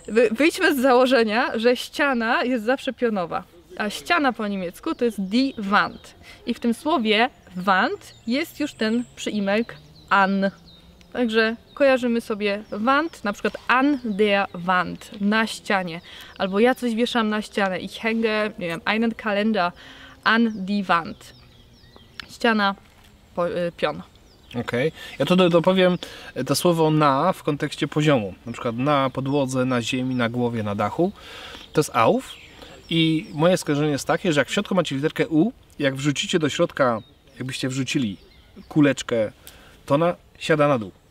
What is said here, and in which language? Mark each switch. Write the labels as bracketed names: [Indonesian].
[Polish] Wyjdźmy z założenia, że ściana jest zawsze pionowa. A ściana po niemiecku to jest die Wand. I w tym słowie Wand jest już ten przyimek an. Także kojarzymy sobie Wand, na przykład [German] an der Wand, [Polish] na ścianie. Albo ja coś wieszam na ścianę. [German] Ich hänge, nie wiem, einen Kalender an die Wand. [Polish] Ściana, pion. Okej. Okay. Ja tutaj dopowiem to słowo na w kontekście poziomu. Na przykład na podłodze, na ziemi, na głowie, na dachu. To jest auf. I moje skojarzenie jest takie, że jak w środku macie literkę U, jak wrzucicie do środka, jakbyście wrzucili kuleczkę, to ona siada na dół.